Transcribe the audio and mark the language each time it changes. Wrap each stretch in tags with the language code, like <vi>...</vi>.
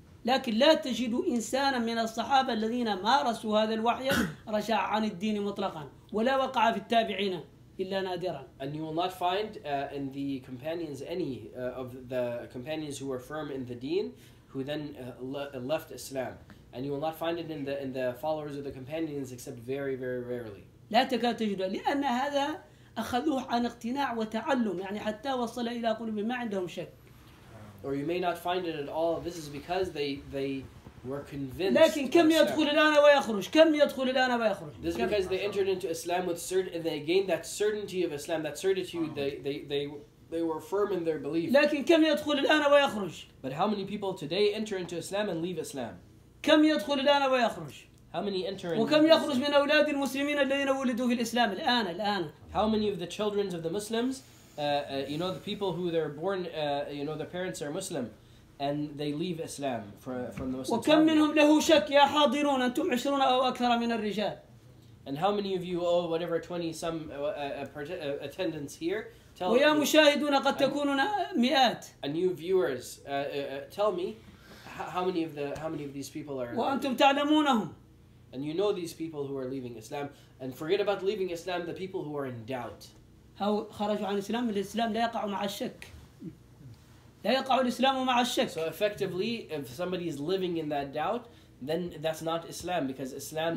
<ar>لكن لا تجد إنسانا من الصحابة الذين مارسوا هذا الوحي رجع عن الدين مطلقا ولا وقع في التابعين إلا نادرا.</ar> <en>And you will not find in the companions any of the companions who were firm in the deen who then left Islam. And you will not find it in the followers of the companions except very, very rarely.</en> <ar>لا تكاد تجد لأن هذا أخذوه عن اقتناع وتعلم يعني حتى وصل إلى قلوب ما عندهم شك.</ar> <en>Or you may not find it at all. This is because they were convinced.</en> <ar>لكن كم يدخل الآن ويخرج كم يدخل الآن ويخرج.</ar> <en>This is because they entered into Islam with certain, they gained that certainty of Islam, that certitude. They were firm in their belief.</en> <ar>لكن كم يدخل الآن ويخرج.</ar> <en>But how many people today enter into Islam and leave Islam?</en> <ar>كم يدخل الآن ويخرج؟</ar> <en>How many enter</en> <ar>وكم يخرج من أولاد المسلمين الذين ولدوا في الإسلام الآن الآن؟</ar> <en>How many of the children of the Muslims, you know, the people who they're born, you know, their parents are Muslim, and they leave Islam from the Muslims.</en> <ar>وكم منهم له شك يا حاضرون أنتم 20 أو أكثر من الرجال؟</ar> <en>And how many of you, oh, whatever 20 some attendants here?</en> <ar>Tell ويا مشاهدون قد تكونون مئات.</ar> <en>And you viewers, tell me. How many of these people are?</en> <ar>وأنتم تعلمونهم.</ar> <en>And you know these people who are leaving Islam, and forget about leaving Islam. The people who are in doubt.</en> <ar>هو خرجوا عن الإسلام. الإسلام لا يقع مع الشك. لا يقع الإسلام مع الشك.</ar> <en>So effectively, if somebody is living in that doubt, then that's not Islam because Islam.</en>